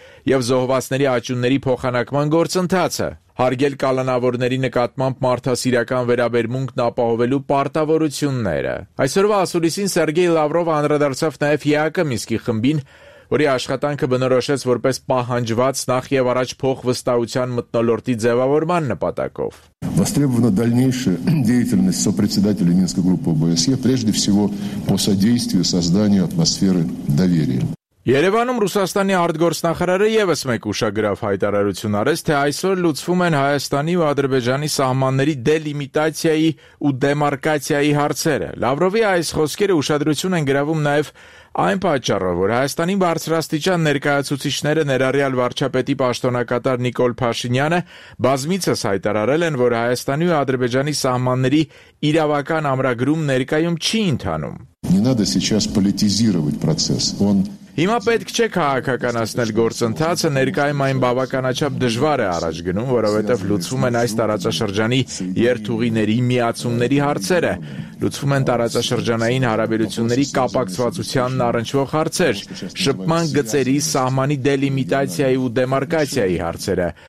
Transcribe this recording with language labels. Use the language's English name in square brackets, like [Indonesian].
[Armenian] և զոհվածների աճյունների փոխանակման գործընթացը, հարգել կալանավորների նկատմամբ մարդասիրական վերաբերմունքն ապահովելու պարտավորությունները։ Այսօրվա ասուլիսին Սերգեյ Լավրովը անդրադարձավ նաև ԵԱԿ-ի Մինսկի խմբին, որի աշխատանքը բնորոշեց որպես պահանջված նախ և առաջ փող վստահության մտնոլորտի ձևավորման նպատակով։ [Russian] Востребована дальнейшая деятельность сопредседателя Минской группы ОБСЕ, прежде всего по содействию созданию атмосферы доверия. [Armenian] Երևանում Ռուսաստանի արտգործնախարարը ևս մեկ ուշագրավ հայտարարություն արեց, թե այսօր լուծվում են Հայաստանի ու Ադրբեջանի սահմանների դելիմիտացիայի ու դեմարկացիայի հարցերը։ Լավրովի այս խոսքերը ուշադրություն են գրավում նաև այն պատճառով, որ Հայաստանի բարձրաստիճան ներկայացուցիչները ներառյալ վարչապետի պաշտոնակատար Նիկոլ Փաշինյանը բազմիցս հայտարարել են, որ Հայաստանի ու Ադրբեջանի սահմանների իրավական ամրագրում ներկայում չի ընթանում։ [Russian] Не надо сейчас политизировать процесс. Он [Armenian] Հիմա պետք չէ քաղաքականացնել գործընթացը, ներկայում այն բավականաչափ դժվար է առաջ գնում, որովհետև լուծվում են այս տարածաշրջանի երթուղիների միացումների հարցերը, լուծվում են տարածաշրջանային հարաբերությունների կապակցվածությանն առնչվող հարցեր, շփման գծերի սահմանի դելիմիտացիայի ու դեմարկացիայի հարցերը։